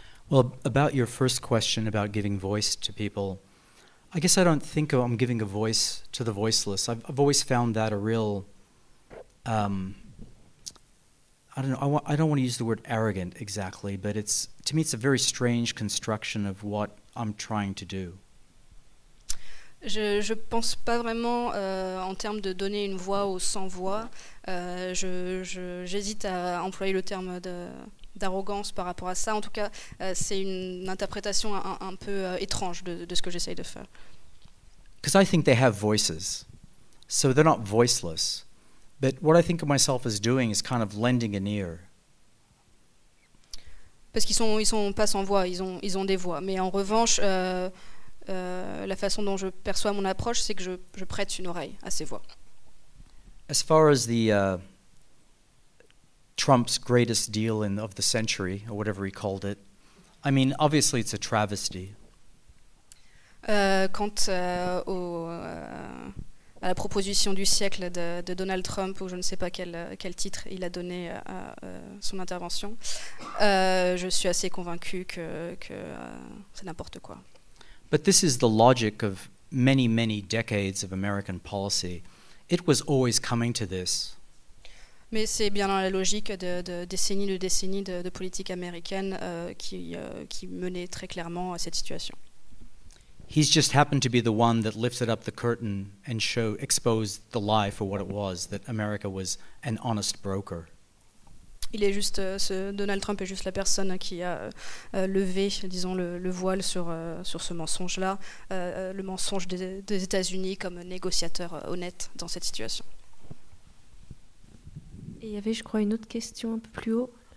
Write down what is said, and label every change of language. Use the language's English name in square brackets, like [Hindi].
[English] Well, about your first question about giving voice to people, I guess I don't think I'm giving a voice to the voiceless. I've always found that a real, I don't want to use the word arrogant exactly, but it's, to me, it's a very strange construction of what I'm trying to do. [French] Je pense pas vraiment en termes de donner une voix aux sans voix. J'hésite à employer le terme d'arrogance par rapport à ça. En tout cas, c'est une interprétation un peu étrange de ce que j'essaye de faire. [English] Because I think they have voices, so they're not voiceless. But what I think of myself as doing is kind of lending an ear. [French] Parce qu'ils sont, ils sont pas sans voix. Ils ont des voix. Mais en revanche, la façon dont je perçois mon approche, c'est que je prête une oreille à ces voix. [English] As far as the Trump's greatest deal of the century, or whatever he called it. I mean, obviously, it's a travesty. [French] Quant à la proposition du siècle de Donald Trump, ou je ne sais pas quel titre il a donné à son intervention, je suis assez convaincue que c'est n'importe quoi. [English] But this is the logic of many, many decades of American policy. It was always coming to this. [French] Mais c'est bien dans la logique de décennies de décennies de politique américaine qui menait très clairement à cette situation. [English] He's just happened to be the one that lifted up the curtain and exposed the lie for what it was, that America was an honest broker. [French] Il est juste Donald Trump est juste la personne qui a levé, disons, le voile sur ce mensonge-là, le mensonge des États-Unis comme négociateur honnête dans cette situation. Et il y avait, je crois, une autre question un peu plus haut.